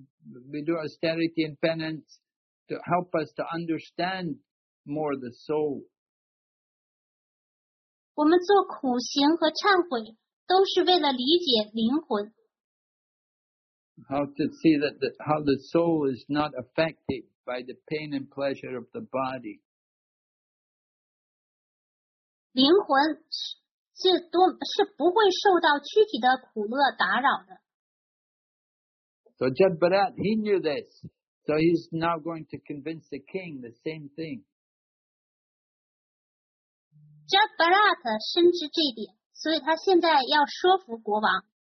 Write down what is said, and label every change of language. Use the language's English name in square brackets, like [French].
[English] We do austerity and penance to help us to understand more the soul. [Chinese] 我们做苦行和忏悔都是为了理解灵魂。 [English] How to see that how the soul is not affected by the pain and pleasure of the body. [Chinese] 灵魂 是不会受到躯体的苦乐打扰的。 [English] So Jadbarat, he knew this. So he's now going to convince the king the same thing. [Chinese] Jadbarat 深知这点，所以他现在要说服国王。